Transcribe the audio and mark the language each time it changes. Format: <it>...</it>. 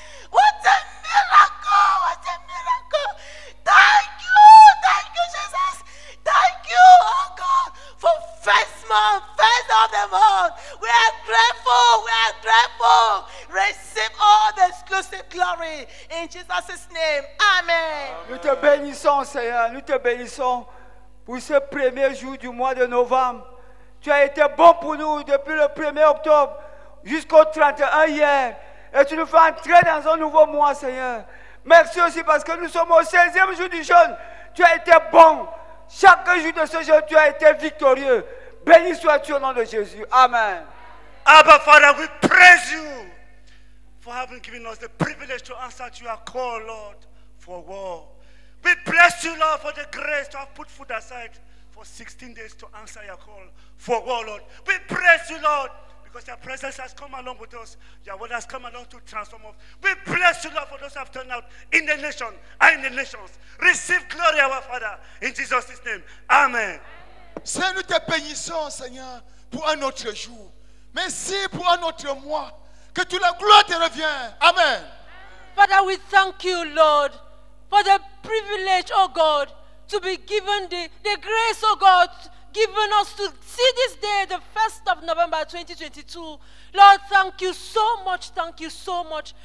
<en>What a miracle, what a miracle. Thank you, Jesus. Thank you, oh God, for first month, first of the month. We are grateful, we are grateful. Receive all the exclusive glory in Jesus' name. Amen.</en> <fr>Nous te bénissons, Seigneur. Nous te bénissons pour ce premier jour du mois de novembre. Tu as été bon pour nous depuis le 1er octobre jusqu'au 31 hier. Et tu nous fais entrer dans un nouveau mois, Seigneur. Merci aussi parce que nous sommes au 16e jour du jeûne. Tu as été bon. Chaque jour de ce jour, tu as été victorieux. Béni sois-tu au nom de Jésus. Amen.</fr> <en>Abba, Father, we praise you for having given us the privilege to answer to your call, Lord, for war. We bless you, Lord, for the grace to have put food aside for 16 days to answer your call for war, Lord. We praise you, Lord, because your presence has come along with us. Your word has come along to transform us. We bless you, Lord, for those who have turned out in the nation and in the nations. Receive glory, our Father, in Jesus' name. Amen.</en> <fr>Seigneur, nous te bénissons, Seigneur, pour un autre jour. Merci pour un autre mois. Que toute la gloire te revienne. Amen.</fr> <en>Father, we thank you, Lord, for the privilege, oh God, to be given the grace, oh God, given us to see this day, the 1st of November 2022. Lord, thank you so much. Thank you so much.</en>